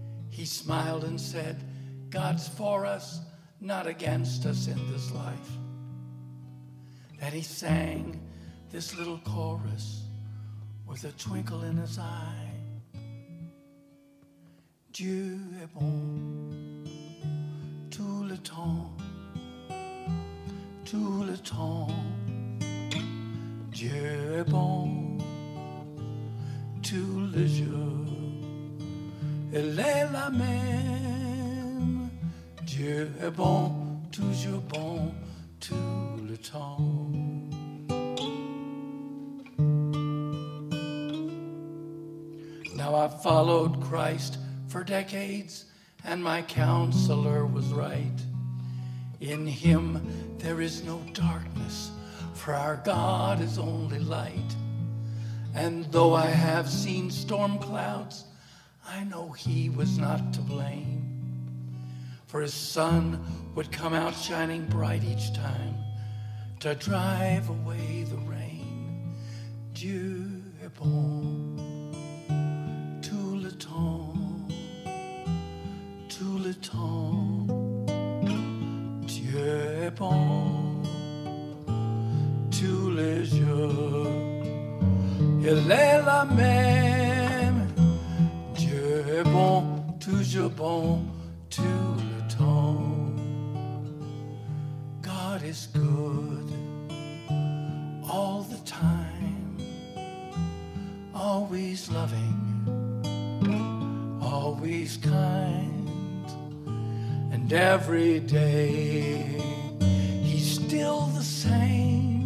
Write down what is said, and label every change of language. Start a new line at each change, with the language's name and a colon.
English: He smiled and said, God's for us, not against us in this life. Then he sang this little chorus with a twinkle in his eye.
French: Dieu est bon. Tout le temps, Dieu est bon, tous les jours, il est la même, Dieu est bon, toujours bon, tout le temps.
English: Now I followed Christ for decades, and my counselor was right. In him there is no darkness, for our God is only light. And though I have seen storm clouds, I know he was not to blame. For his sun would come out shining bright each time to drive away the rain.
French: Dieu est bon, tout le temps, tout le temps. Dieu est bon, tous les jours. Il est la même. Dieu est bon, toujours bon, tout le temps.
English: God is good all the time, always loving, always kind, and every day he's still the same.